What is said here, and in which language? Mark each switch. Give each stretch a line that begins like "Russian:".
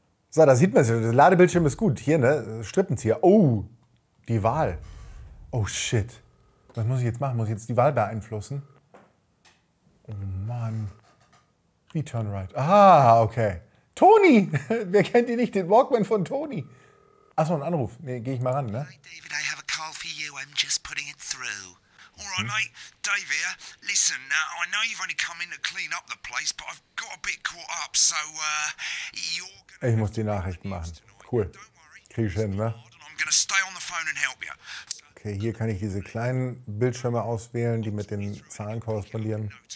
German: So, da sieht man es, das Ladebildschirm ist gut. Hier, ne, Strippenzieher. Oh, die Wahl. Oh, shit. Was muss ich jetzt machen? Muss ich jetzt die Wahl beeinflussen? Oh, Mann. Wie
English: turn right?
German: Ah, okay. Toni! Wer kennt ihn nicht? Den Walkman von Toni. Achso, ein Anruf. Nee, geh ich mal ran, ne?
English: Hi, David, I have a call for you. I'm just putting it through. Alright, mate. Dave here. Listen, I know you've only come in to clean up the place, but I've got a bit caught up, so, you're...
German: Ich muss die Nachrichten machen. Cool. Krieg ich hin, ne?
English: I'm gonna stay on the phone and help you.
German: Okay, hier kann ich diese kleinen Bildschirme auswählen, die mit den Zahlen korrespondieren.